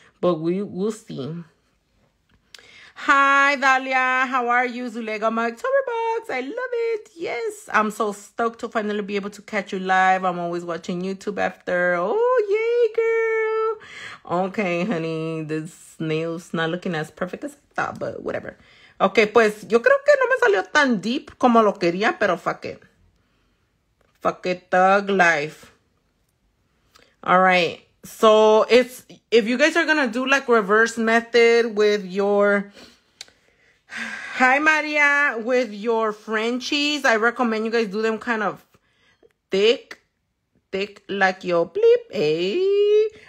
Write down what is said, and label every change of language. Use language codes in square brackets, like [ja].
[en] But we'll see. Hi, Dahlia. How are you, Zulega? My October box. I love it. Yes. I'm so stoked to finally be able to catch you live. I'm always watching YouTube after. Oh, yay, girl. Okay, honey. This nail's not looking as perfect as I thought, but whatever. [es] Okay, pues yo creo que no me salió tan deep como lo quería, pero [en] fuck it. Fuck it, thug life. All right. So if you guys are going to do like reverse method with your. Hi, Maria. With your Frenchies, I recommend you guys do them kind of thick like your bleep, eh?